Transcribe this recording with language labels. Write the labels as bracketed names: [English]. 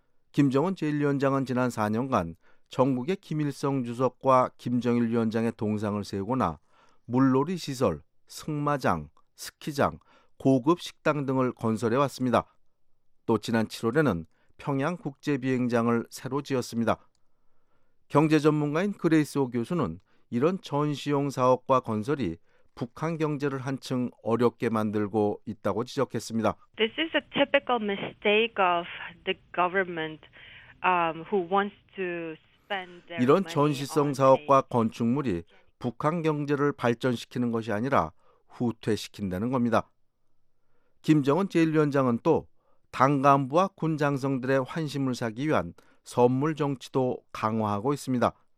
[Korean] 김정은 제1위원장은 지난 4년간 전국의 김일성 주석과 김정일 위원장의 동상을 세우거나 물놀이 시설, 승마장, 스키장, 고급 식당 등을 건설해왔습니다. 또 지난 7월에는 평양국제비행장을 새로 지었습니다. 경제 전문가인 그레이스 오 교수는 이런 전시용 사업과 건설이 북한 경제를 한층 어렵게 만들고 있다고 지적했습니다. [English] This is a typical mistake of the government who wants to spend their [Korean] 이런 전시성 사업과 건축물이 북한 경제를 발전시키는 것이 아니라 후퇴시킨다는 겁니다. 김정은 제1위원장은 또 당 간부와 군 장성들의 환심을 사기 위한 선물 정치도 강화하고 있습니다.